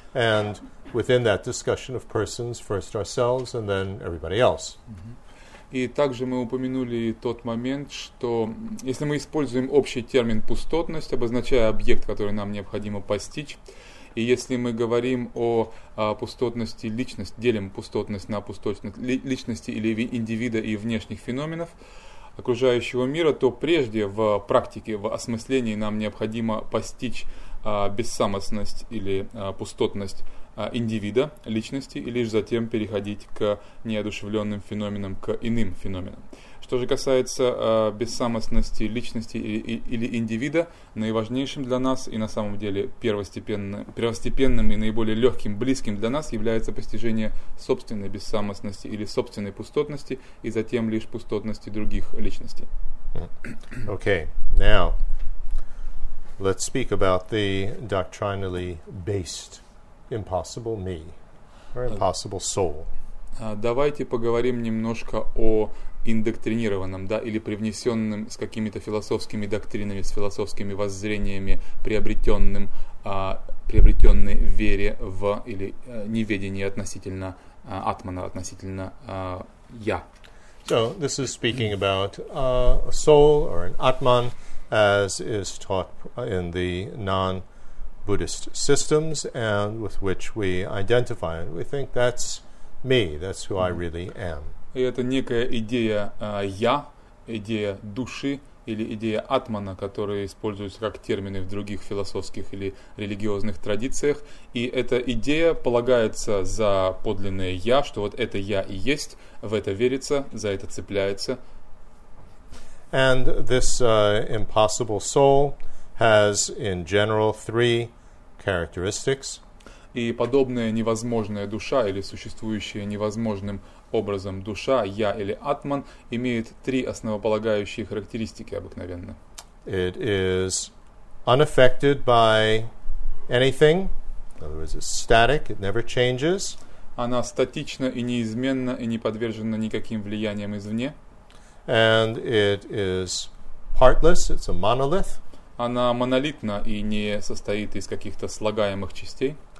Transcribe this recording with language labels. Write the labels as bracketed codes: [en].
[en] And within that discussion of persons, first ourselves and then everybody else. Mm-hmm. [ru] И также мы упомянули тот момент, что если мы используем общий термин «пустотность», обозначая объект, который нам необходимо постичь, и если мы говорим о пустотности личности, делим пустотность на пустотность личности или индивида и внешних феноменов окружающего мира, то прежде в практике, в осмыслении нам необходимо постичь бессамостность или пустотность индивида, личности, и лишь затем переходить к неодушевленным феноменам, к иным феноменам. Что же касается бессамостности личности или индивида, наиважнейшим для нас и на самом деле первостепенным и наиболее легким, близким для нас является постижение собственной бессамостности или собственной пустотности, и затем лишь пустотности других личностей. [en] Okay, now let's speak about the doctrinally based impossible me, or impossible soul. [ru] Давайте поговорим немножко о индоктринированном, да, или привнесенном с какими-то философскими доктринами, с философскими воззрениями, приобретенным, приобретенной вере в или неведении относительно атмана, относительно я. [en] So, this is speaking about a soul or an atman, as is taught in the non Buddhist systems and with which we identify. We think that's me, that's who I really am. [ru] И это некая идея я, идея души или идея атмана, которые используются как термины в других философских или религиозных традициях. И эта идея полагается за подлинное я, что вот это я и есть, в это верится, за это цепляется. [en] And this impossible soul has in general three characteristics. [ru] И подобная невозможная душа или существующая невозможным образом душа, я или атман, имеет три основополагающие характеристики обыкновенно. [en] It is unaffected by anything. In other words, it's static, it never changes. [ru] Она статична и неизменна и не подвержена никаким влияниям извне. [en] And it is partless, it's a monolith. [ru] Она монолитна и не состоит из каких-то слагаемых частей.